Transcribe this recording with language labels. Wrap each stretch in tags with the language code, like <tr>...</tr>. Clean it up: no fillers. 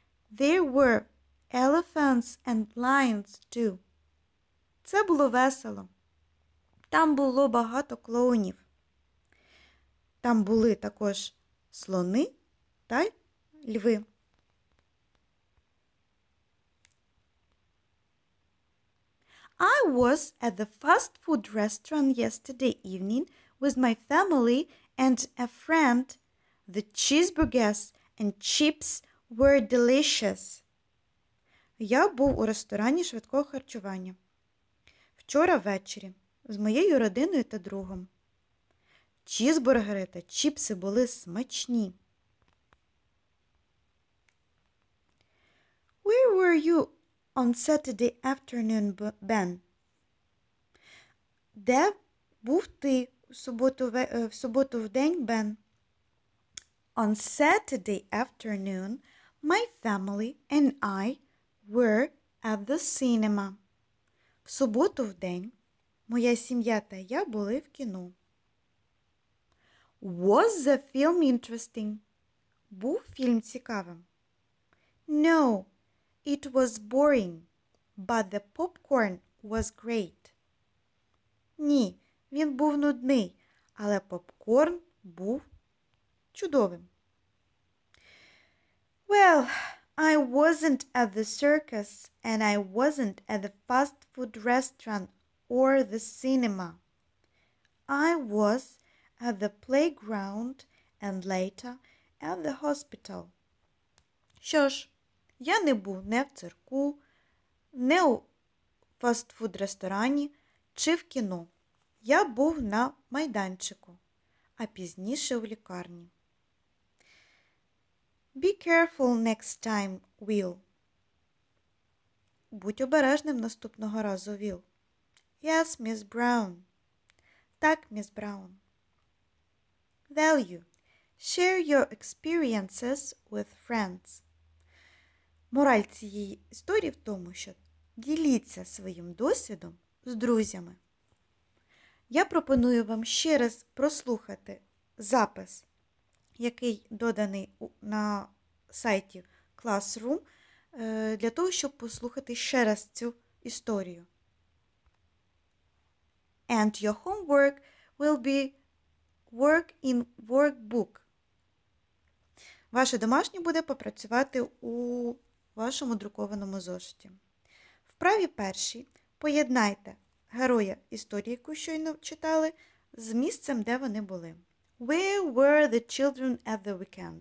<en>There were elephants and lions too.</en> <uk>Це було весело. Там було багато клоунів. Там були також слони та льви.</uk> <en>I was at the fast food restaurant yesterday evening with my family and a friend. The cheeseburgers and chips were delicious.</en> <uk>Я був у ресторані швидкого харчування вчора ввечері з моєю родиною та другом. Чізбургери та чіпси були смачні.</uk> <en>Where were you on Saturday afternoon, Ben?</en> <uk>Де був ти в суботу в день, Бен?</uk> <en>On Saturday afternoon, my family and I were at the cinema.</en> <uk>В суботу в день моя сім'я та я були в кіно.</uk> <en>Was the film interesting?</en> <uk>Був фільм цікавим?</uk> <en>No, it was boring, but the popcorn was great.</en> <uk>Ні, він був нудний, але попкорн був чудовим.</uk> <en>Well, I wasn't at the circus and I wasn't at the fast food restaurant or the cinema. I was at the playground and later at the hospital.</en> <uk>Що ж, я не був не в цирку, не у фаст фуд ресторані чи в кіно. Я був на майданчику, а пізніше в лікарні.</uk> <en>Be careful next time, Will.</en> <uk>Будь обережним наступного разу, Will.</uk> <en>Yes, Miss Brown.</en> <uk>Так,</uk> <en>Miss Brown. Value. Share your experiences with friends.</en> <uk>Мораль цієї історії в тому, що діліться своїм досвідом з друзями. Я пропоную вам ще раз прослухати запис, який доданий на сайті Classroom для того, щоб послухати ще раз цю історію.</uk> <en>And your homework will be work in workbook.</en> <uk>Ваше домашнє буде попрацювати у вашому друкованому зошиті. В праві першій поєднайте героя історії, яку щойно читали, з місцем, де вони були.</uk> <en>Where were the children at the weekend?</en>